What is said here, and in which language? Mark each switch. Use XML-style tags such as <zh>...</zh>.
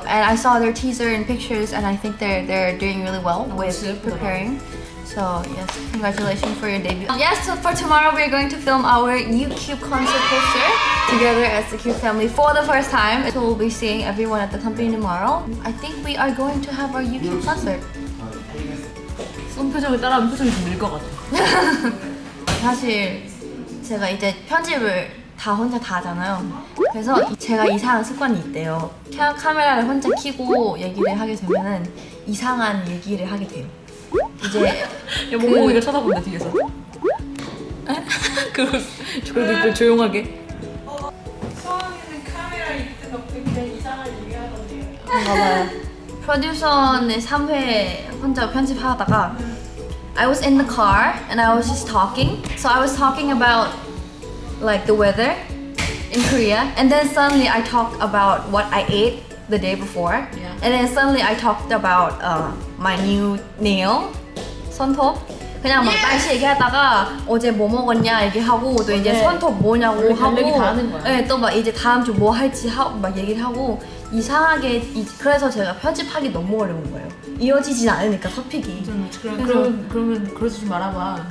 <en>And I saw their teaser and pictures and I think they're doing really well with preparing. So yes, congratulations for your debut. Yes, so for tomorrow we're going to film our new Cube concert poster together as the Cube family for the first time. So we'll be seeing everyone at the company tomorrow. I think we are going to have our Cube concert.</en> <ko>손 표정을 따라하면 표정이 좀 늘 것 같아. 사실 제가 이제 편집을 다 혼자 다 하잖아요. 그래서 제가 이상한 습관이 있대요. 카메라를 혼자 켜고 얘기를 하게 되면은 이상한 얘기를 하게 돼요. 이제 야, 몽몽이가 그... 쳐다본다 뒤에서. 그리고 조용하게. 처음에는 카메라 이때 덕분에 이상한 얘기하던데요. 봐봐요. 프로듀서의 3회 혼자 편집하다가</ko> <en>I was in the car and I was just talking. So I was talking about like the weather in Korea. And then suddenly I talked about what I ate the day before. Yeah. And then suddenly I talked about my new nail.</en> <ko>손톱. 그냥 막 날씨 얘기하다가 어제 뭐 먹었냐 얘기하고 또 이제 손톱 뭐냐고 하고 네, 또 막 이제 다음 주 뭐 할지 하고 막 얘기를 하고 이상하게 그래서 제가 편집하기 너무 어려운 거예요. 이어지진 않으니까 토픽이. 그러면 그러지 말아봐.</ko>